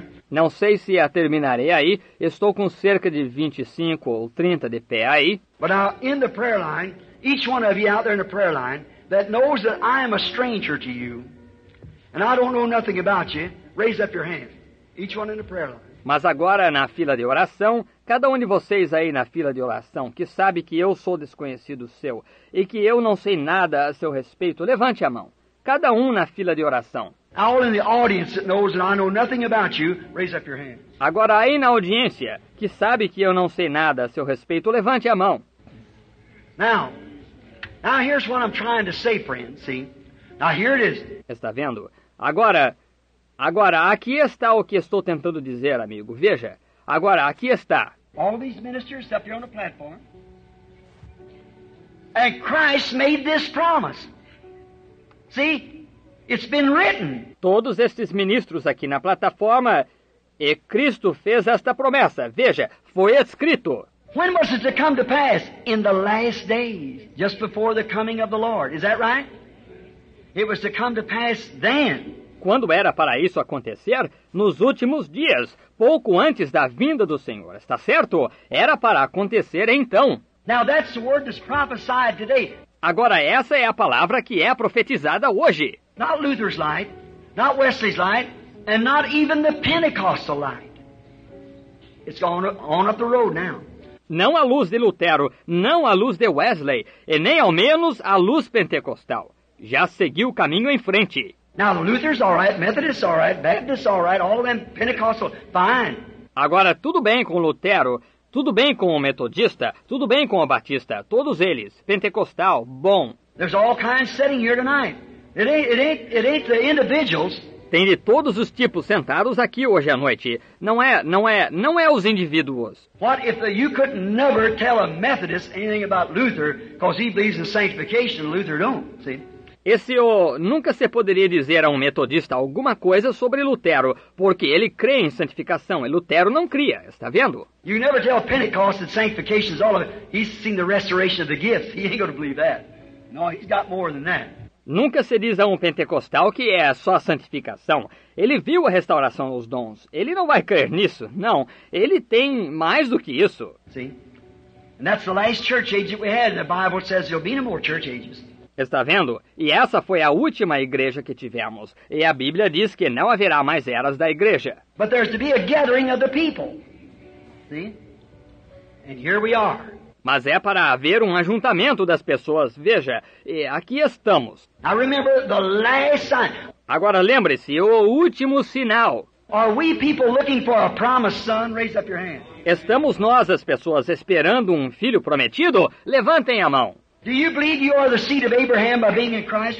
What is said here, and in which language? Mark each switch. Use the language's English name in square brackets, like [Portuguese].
[Portuguese] Não sei se a terminarei aí, estou com cerca de 25 ou 30 de pé aí. [English] But now, in the prayer line, each one of you out there in the prayer line that knows that I am a stranger to you and I don't know nothing about you, raise up your hand. Each one in the prayer line. [Portuguese] Mas agora na fila de oração, cada um de vocês aí na fila de oração que sabe que eu sou desconhecido seu e que eu não sei nada a seu respeito, levante a mão. Cada um na fila de oração. [English] All in the audience that knows that I know nothing about you, raise up your hand. [Portuguese] Agora aí na audiência que sabe que eu não sei nada a seu respeito, levante a mão. [English] Now here's what I'm trying to say, friend. See? Now here it is. [Portuguese] Está vendo? Agora, aqui está o que estou tentando dizer, amigo. Veja. Agora, aqui está. [English] All these ministers up here on the platform. And Christ made this promise. See? It's been written. [Portuguese] Todos estes ministros aqui na plataforma, e Cristo fez esta promessa. Veja, foi escrito. [English] When was it to come to pass? In the last days, just before the coming of the Lord. Is that right? It was to come to pass then. [Portuguese] Quando era para isso acontecer? Nos últimos dias, pouco antes da vinda do Senhor. Está certo? Era para acontecer então. [English] Now that's the word that's prophesied today. [Portuguese] Agora essa é a palavra que é profetizada hoje. [English] Not Luther's light, not Wesley's light, and not even the Pentecostal light. It's on up the road now. [Portuguese] Não a luz de Lutero, não a luz de Wesley, e nem ao menos a luz pentecostal. Já seguiu o caminho em frente. [English] Now the Luther's all right, Methodist's all right, Baptist's all right, all of them Pentecostal, fine. [Portuguese] Agora tudo bem com Lutero, tudo bem com o metodista, tudo bem com o batista, todos eles, pentecostal, bom. [English] There's all kinds sitting here tonight. It ain't the individuals. [Portuguese] Tem de todos os tipos sentados aqui hoje à noite. Não é os indivíduos. [English] What if you could never tell a Methodist anything about Luther because he believes in sanctification and Luther don't, see? [Portuguese] Nunca se poderia dizer a um metodista alguma coisa sobre Lutero, porque ele crê em santificação e Lutero não cria, está vendo? [English] You never tell a Pentecost that sanctification is all of it. He's seen the restoration of the gifts. He ain't going to believe that. No, he's got more than that. [Portuguese] Nunca se diz a um pentecostal que é só a santificação. Ele viu a restauração dos dons. Ele não vai crer nisso. Não. Ele tem mais do que isso. [English] See? And that's the last church age that we had. The Bible says there'll be no more church ages. [Portuguese] Está vendo? E essa foi a última igreja que tivemos. E a Bíblia diz que não haverá mais eras da igreja. [English] But there's to be a gathering of the people. See? And here we are. [Portuguese] Mas é para haver um ajuntamento das pessoas. Veja, aqui estamos. [English] I remember the last sign. [Portuguese] Agora lembre-se, o último sinal. [English] Are we people looking for a promised son? Raise up your hand. [Portuguese] Estamos nós, as pessoas, esperando um filho prometido? Levantem a mão. [English] Do you believe you are the seed of Abraham by being in Christ?